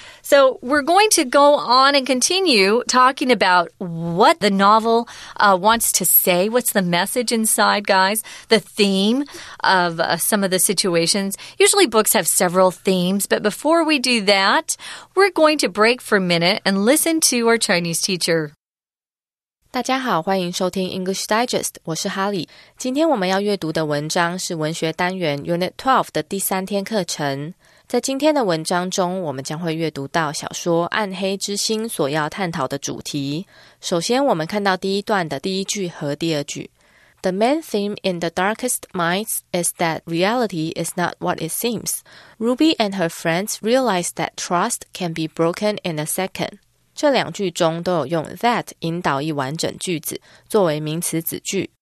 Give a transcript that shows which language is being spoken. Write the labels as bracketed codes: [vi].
[en] So we're going to go on and continue talking about what the novel wants to say. What's the message inside, guys? The theme of some of the situations. Usually books have several themes, but before we do that, we're going to break for a minute and listen to our Chinese teacher. [zh] 大家好，欢迎收听 English Digest， 我是哈利。今天我们要阅读的文章是文学单元 Unit 12的第三天课程。在今天的文章中，我们将会阅读到小说《暗黑之心》所要探讨的主题。首先，我们看到第一段的第一句和第二句。 [en] The main theme in The Darkest Minds is that reality is not what it seems. Ruby and her friends realize that trust can be broken in a second. [zh] 这两句中都有用 that 引导一完整句子，作为名词子句。